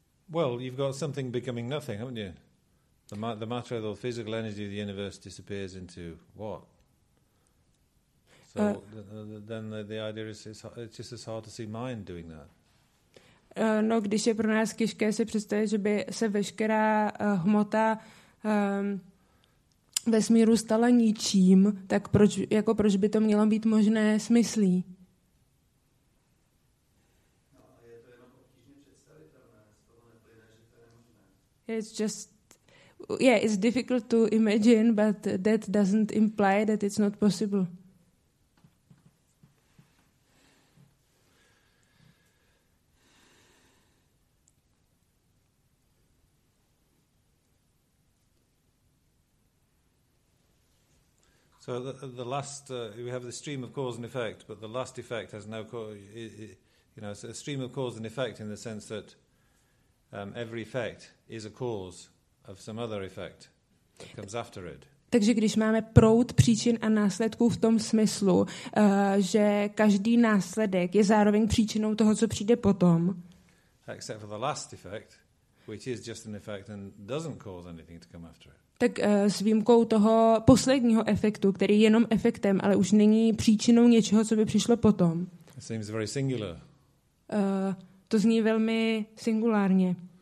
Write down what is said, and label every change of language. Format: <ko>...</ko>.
<en>Well, you've got something becoming nothing, haven't you? The matter, the physical energy of the universe disappears into what? So then the idea is it's just as hard to see mind doing that.</en> <cs>No, když je pro nás těžké si představit, že by se veškerá hmota vesmíru stala ničím, tak proč by to mělo být možné s myslí? No, a je to jenom obtížně představitelné, z toho neplyne, že to je nemožné.</cs> <en>It's difficult to imagine, but that doesn't imply that it's not possible. So the last we have the stream of cause and effect, but the last effect has no it's a stream of cause and effect in the sense that every effect is a cause of some other effect that comes after it.</en> <cs>Takže když máme proud příčin a následků v tom smyslu, že každý následek je zároveň příčinou toho, co přijde potom.</cs> <en>Except for the last effect, which is just an effect and doesn't cause anything to come after it.</en> <cs>Tak s výjimkou toho posledního efektu, který je jenom efektem, ale už není příčinou něčeho, co by přišlo potom.</cs> <en>It seems very singular.</en> <cs>To zní velmi singulárně.</cs>